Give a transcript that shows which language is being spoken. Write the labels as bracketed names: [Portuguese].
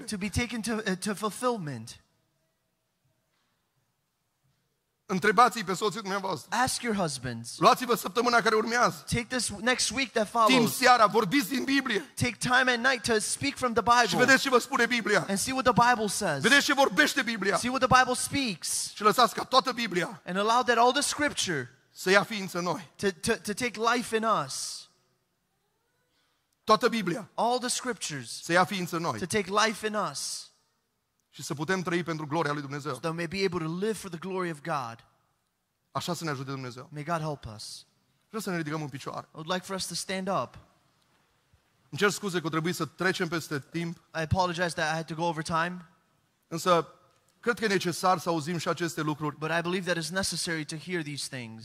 [English] To be taken to fulfillment. [Romanian] Întrebați-i pe soții dumneavoastră. [English] Ask your husbands. [Romanian] Luați-vă săptămâna care urmează. [English] Take this next week that follows. [Romanian] Timp seara, vorbiți din Biblie. [English] Take time at night to speak from the Bible. [Romanian] Și vedeți ce vă spune Biblia. [English] And see what the Bible says. [Romanian] Vedeți ce vorbește Biblia. [English] See what the Bible speaks. [Romanian] Și lăsați ca toată Biblia. [English] And allow that all the scripture. [Romanian] Să ia ființă noi. [English] To take life in us. [Romanian] Toată Biblia. [English] All the scriptures. [Romanian] Să ia ființă noi. [English] To take life in us. [Romanian] Și să putem trăi pentru gloria lui Dumnezeu. [English] So may be able to live for the glory of God. [Romanian] Așa să ne ajute Dumnezeu. [English] May God help us. [Romanian] Vreau să ne ridicăm în picioare. [English] I would like for us to stand up. [Romanian] Îmi cer scuze că trebuie să trecem peste timp. [English] I apologize that I had to go over time. [Romanian] Însă cred că e necesar să auzim și aceste lucruri. [English] But I believe that it's necessary to hear these things.